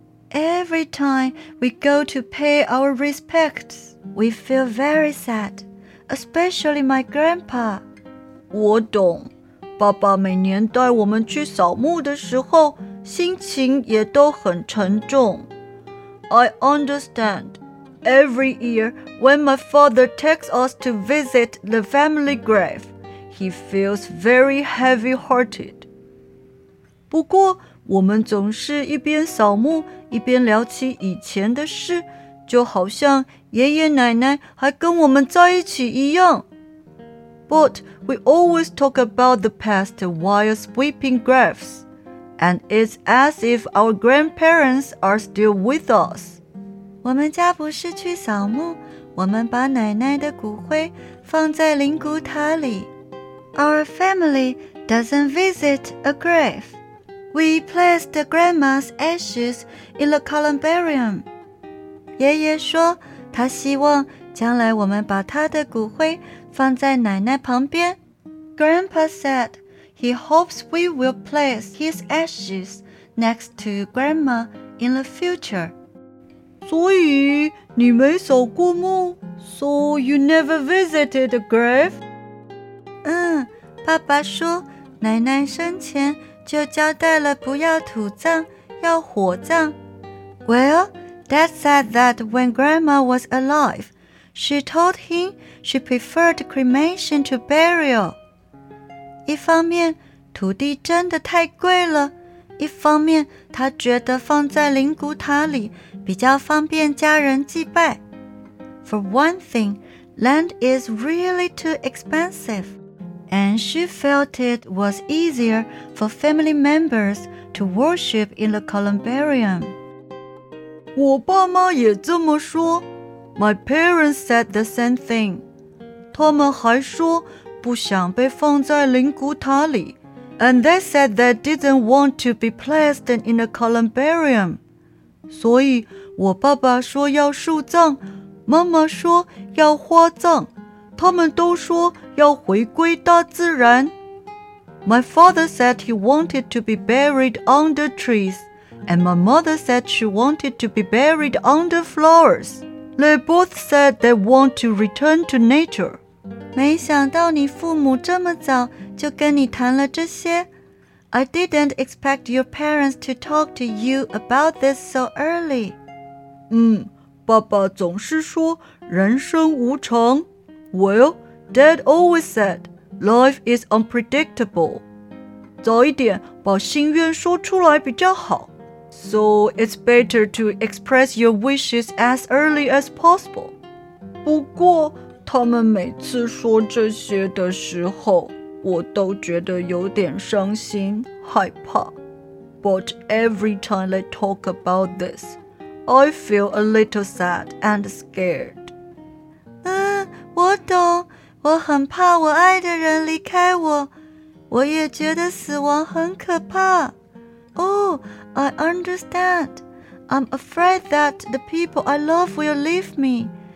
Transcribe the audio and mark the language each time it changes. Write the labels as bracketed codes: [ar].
[en] Every time we go to pay our respects, we feel very sad. Especially my grandpa. [zh] 我懂，爸爸每年带我们去扫墓的时候，心情也都很沉重。 [en] I understand. Every year, when my father takes us to visit the family grave, he feels very heavy-hearted. [zh] 不过，我们总是一边扫墓，一边聊起以前的事，就好像爷爷奶奶还跟我们在一起一样。 [en] But we always talk about the past while sweeping graves, and it's as if our grandparents are still with us. [zh] 我们家不是去扫墓，我们把奶奶的骨灰放在灵骨塔里。 [en] Our family doesn't visit a grave. We place the grandma's ashes in the columbarium. [zh] 爷爷说，他希望将来我们把他的骨灰放在奶奶旁边。 [en] Grandpa said he hopes we will place his ashes next to Grandma in the future. [zh] 所以你没扫过墓， [en] so you never visited a grave? [zh] 爸爸说，奶奶生前就交代了不要土葬，要火葬。 [en] Well,Dad said that when Grandma was alive, she told him she preferred cremation to burial. [zh] 一方面，土地真的太贵了，一方面，他觉得放在灵骨塔里比较方便家人祭拜。 [en] For one thing, land is really too expensive, and she felt it was easier for family members to worship in the columbarium. [zh] 我爸妈也这么说。 [en] My parents said the same thing. [zh] 他们还说不想被放在灵骨塔里。 [en] And they said they didn't want to be placed in a columbarium. [zh] 所以我爸爸说要树葬，妈妈说要花葬，他们都说要回归大自然。 [en] My father said he wanted to be buried under trees. And my mother said she wanted to be buried under flowers. They both said they want to return to nature. [zh] 没想到你父母这么早就跟你谈了这些。 [en] I didn't expect your parents to talk to you about this so early. [zh] 爸爸总是说人生无常。 [en] Well, Dad always said life is unpredictable. [zh] 早一点把心愿说出来比较好。 [en] So it's better to express your wishes as early as possible. [zh] 不过他们每次说这些的时候，我都觉得有点伤心，害怕。 [en] But every time they talk about this, I feel a little sad and scared. [zh] 我懂，我很怕我爱的人离开我，我也觉得死亡很可怕。 [en] Oh, I understand. I'm afraid that the people I love will leave me.